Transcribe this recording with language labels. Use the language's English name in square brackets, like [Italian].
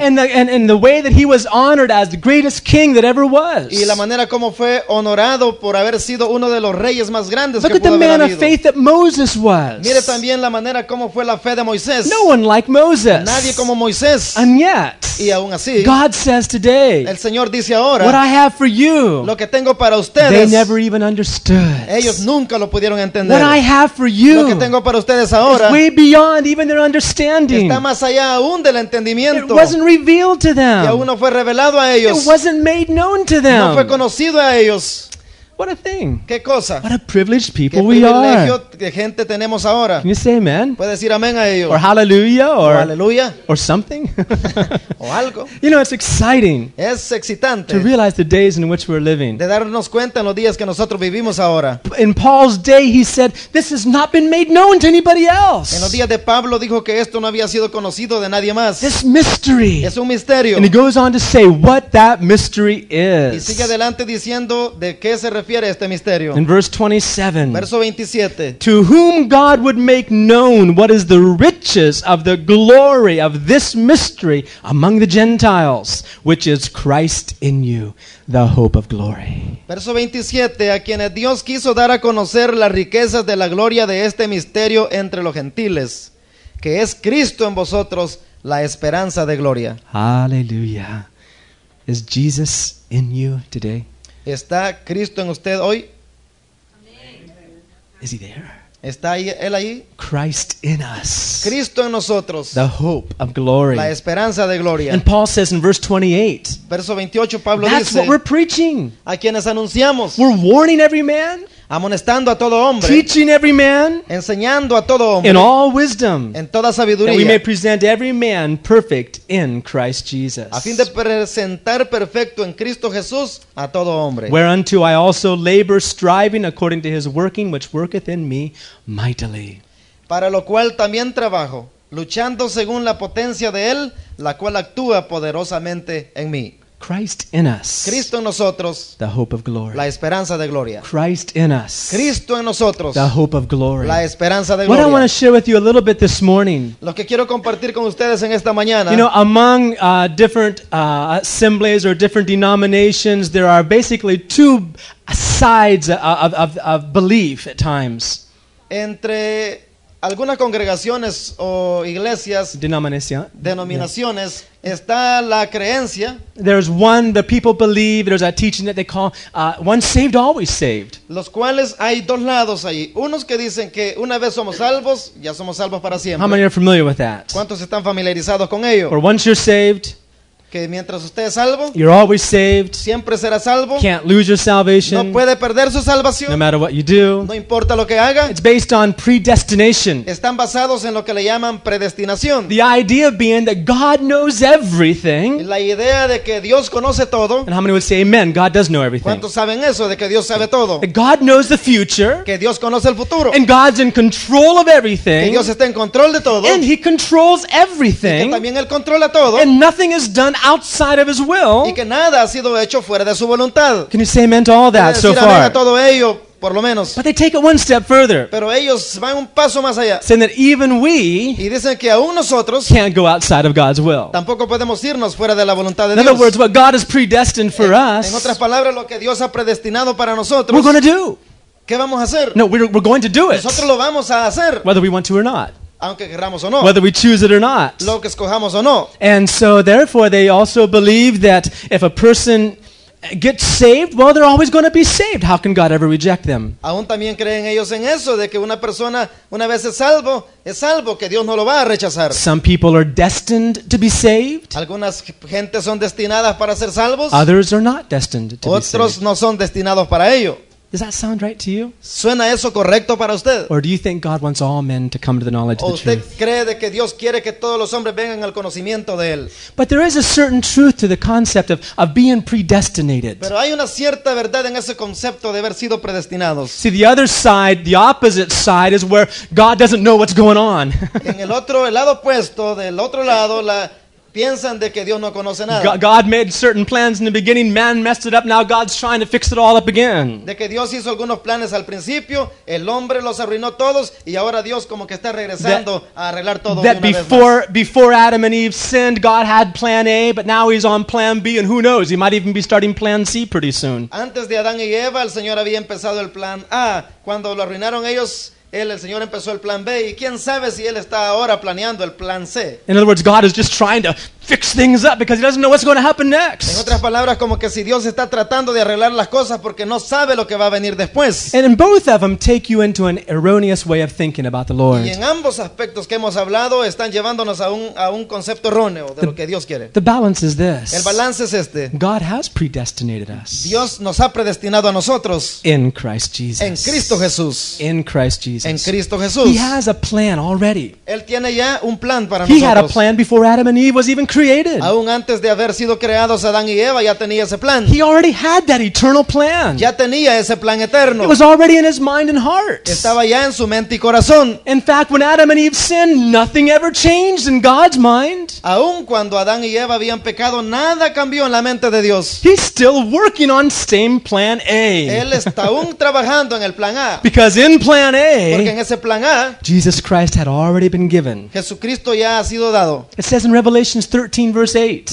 [English] And the way that he was honored as the greatest king that ever was. [Spanish] Y la manera como fue honorado por haber sido uno de los reyes más grandes que pudo haber habido. [English] Look at the man of faith that Moses was. [Spanish] Mire también la manera como fue la fe de Moisés. [English] No one like Moses. [Spanish] Nadie como Moisés. [English] And yet, [Spanish] y aún así, [English] God says today, [Spanish] el Señor dice ahora, [English] what I have for you, [Spanish] lo que tengo para ustedes, [English] they never even understood. [Spanish] Ellos nunca lo pudieron entender. [English] What I have for you, [Spanish] lo que tengo para ustedes ahora, [English] is way beyond even their understanding. [Spanish] Está más allá aún del entendimiento. [English] It wasn't revealed to them. [Spanish] Fue revelado a ellos. [English] It wasn't made known to them. [Spanish] No fue conocido a ellos. [English] What a thing. [Spanish] ¿Qué cosa? [English] What a privileged people we are. [Spanish] ¿Qué privilegio de gente tenemos ahora? [English] Can you say amen? [Spanish] ¿Puedes decir amén a ello? [English] Or hallelujah? Or hallelujah? Or something? [Spanish] O algo. [English] You know, it's exciting. [Spanish] Es excitante. [English] To realize the days in which we're living. [Spanish] De darnos cuenta en los días que nosotros vivimos ahora. [English] In Paul's day, he said, "This has not been made known to anybody else." [Spanish] En los días de Pablo dijo que esto no había sido conocido de nadie más. [English] This mystery. [Spanish] Es un misterio. [English] And he goes on to say what that mystery is. [Spanish] Y sigue adelante diciendo de qué se refiere este misterio. [English] In verse 27. [Spanish] Verso 27. [English] To whom God would make known what is the riches of the glory of this mystery among the Gentiles, which is Christ in you, the hope of glory. [Spanish] Verso 27. A quienes Dios quiso dar a conocer las riquezas de la gloria de este misterio entre los gentiles, que es Cristo en vosotros, la esperanza de gloria. [English] Hallelujah. Is Jesus in you today? [Spanish] ¿Está Cristo en usted hoy? [English] Amen. Is he there? [Spanish] ¿Está ahí, él ahí? [English] Christ in us. [Spanish] Cristo en nosotros. [English] The hope of glory. [Spanish] La esperanza de gloria. [English] And Paul says in verse 28. [Spanish] Verso 28, Pablo [English] that's [Spanish] dice, [English] what we're preaching. [Spanish] A quienes anunciamos. [English] We're warning every man. [Spanish] Amonestando a todo hombre. [English] Teaching every man. [Spanish] Enseñando a todo hombre. [English] In all wisdom. [Spanish] En toda sabiduría. [English] That we may present every man perfect in Christ Jesus. [Spanish] A fin de presentar perfecto en Cristo Jesús a todo hombre. [English] Whereunto I also labor, striving according to his working, which worketh in me mightily. [Spanish] Para lo cual también trabajo, luchando según la potencia de él, la cual actúa poderosamente en mí. [English] Christ in us. [Spanish] Cristo en nosotros. [English] The hope of glory. [Spanish] La esperanza de gloria. [English] Christ in us. [Spanish] Cristo en nosotros. [English] The hope of glory. [Spanish] La esperanza de [English] what [Spanish] gloria. [English] What I want to share with you a little bit this morning. [Spanish] Lo que quiero compartir con ustedes en esta mañana. [English] You know, among different assemblies or different denominations, there are basically two sides of belief at times. [Spanish] Entre algunas congregaciones o iglesias, denominaciones, yeah. Está la creencia. [English] There's one the people believe, there's a teaching that they call once saved, always saved. [Spanish] Los cuales hay dos lados ahí. Unos que dicen que una vez somos salvos, ya somos salvos para siempre. [English] How many are familiar with that? [Spanish] ¿Cuántos están familiarizados con ello? [English] Or once you're saved, [Spanish] que mientras usted es salvo, [English] you're always saved. [Spanish] Siempre será salvo. [English] Can't lose your salvation. [Spanish] No puede perder su salvación. [English] No matter what you do. [Spanish] No importa lo que haga. [English] It's based on predestination. [Spanish] Están basados en lo que le llaman predestinación. [English] The idea being that God knows everything. [Spanish] La idea de que Dios conoce todo. [English] And how many would say amen? God does know everything. [Spanish] ¿Cuántos saben eso de que Dios sabe todo? [English] That God knows the future. [Spanish] Que Dios conoce el futuro. [English] And God's in control of everything. [Spanish] Que Dios está en control de todo. [English] And he controls everything. [Spanish] Y que también él controla todo. [English] And nothing is done outside of his will. [Spanish] Y que nada ha sido hecho fuera de su voluntad. [English] Can you say amen to all that so far? [Spanish] A todo ello, por lo menos. [English] But they take it one step further. [Spanish] Pero ellos van un paso más allá. [English] Saying that even we, [Spanish] y dicen que aún nosotros, [English] can't go outside of God's will. [Spanish] Tampoco podemos irnos fuera de la voluntad de Dios. [English] In other words, what God has predestined for us, [Spanish] en otras palabras, lo que Dios ha predestinado para nosotros, [English] we're going to do. [Spanish] ¿Qué vamos a hacer? [English] No, we're going to do it. [Spanish] Nosotros lo vamos a hacer. [English] Whether we want to or not. [Spanish] Aunque queramos o no. [English] Whether we choose it or not. [Spanish] Lo que escojamos o no. [English] And so therefore they also believe that if a person gets saved, well, they're always going to be saved. How can God ever reject them? [Spanish] Aún también creen ellos en eso, de que una persona una vez es salvo, que Dios no lo va a rechazar. [English] Some people are destined to be saved. [Spanish] Algunas gentes son destinadas para ser salvos. [English] Others are not destined to [Spanish] otros [English] be saved. [Spanish] Otros no son destinados para ello. [English] Does that sound right to you? [Spanish] ¿Suena eso correcto para usted? [English] Or do you think God wants all men to come to the knowledge of the truth? [Spanish] ¿O usted cree de que Dios quiere que todos los hombres vengan al conocimiento de él? [English] But there is a certain truth to the concept of being predestinated. [Spanish] Pero hay una cierta verdad en ese concepto de haber sido predestinados. [English] See, the other side, the opposite side, is where God doesn't know what's going on. [Spanish] En el otro, el lado opuesto, del otro lado, la piensan de que Dios no conoce nada. [English] God made certain plans in the beginning, man messed it up, now God's trying to fix it all up again. [Spanish] De que Dios hizo algunos planes al principio, el hombre los arruinó todos, y ahora Dios como que está regresando a arreglar todo una vez más. [English] That before Adam and Eve sinned, God had plan A, but now he's on plan B, and who knows, he might even be starting plan C pretty soon. [Spanish] Antes de Adán y Eva, el Señor había empezado el plan A. Cuando lo arruinaron ellos, el Señor empezó el plan B, y quién sabe si él está ahora planeando el plan C. [English] In other words, God is just trying to fix things up because he doesn't know what's going to happen next. [Spanish] En otras palabras, como que si Dios está tratando de arreglar las cosas porque no sabe lo que va a venir después. [English] And in both of them take you into an erroneous way of thinking about the Lord. [Spanish] Y en ambos aspectos que hemos hablado están llevándonos a un concepto erróneo de lo que Dios quiere. [English] The balance is this. [Spanish] El balance es este. [English] God has predestinated us. [Spanish] Dios nos ha predestinado a nosotros. [English] In Christ Jesus. [Spanish] En Cristo Jesús. [English] In Christ Jesus. [Spanish] En Cristo Jesús. [English] He has a plan already. [Spanish] Él tiene ya un plan para [English] he [Spanish] nosotros. [English] He had a plan before Adam and Eve was even created. [Spanish] Aún antes de haber sido creados Adán y Eva ya tenía ese plan. [English] He already had that eternal plan. [Spanish] Ya tenía ese plan eterno. [English] It was already in his mind and heart. [Spanish] Estaba ya en su mente y corazón. [English] In fact, when Adam and Eve sinned, nothing ever changed in God's mind. [Spanish] Aún cuando Adán y Eva habían pecado, nada cambió en la mente de Dios. [English] He's still working on same plan A. [Spanish] Él está aún trabajando en el plan A. [English] Because in plan A, [Spanish] porque en ese plan A, [English] Jesus Christ had already been given. [Spanish] Jesucristo ya ha sido dado. [English] It says in Revelation 13 verse 8.